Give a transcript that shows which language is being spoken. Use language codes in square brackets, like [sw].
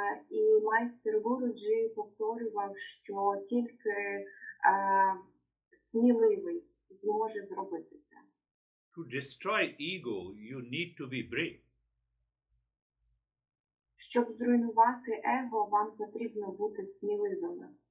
[uk] І майстер Гуруджі повторював, що тільки сміливий зможе зробити це. [en] To destroy ego, you need to be brave. [uk] Щоб зруйнувати его, вам потрібно бути сміливим.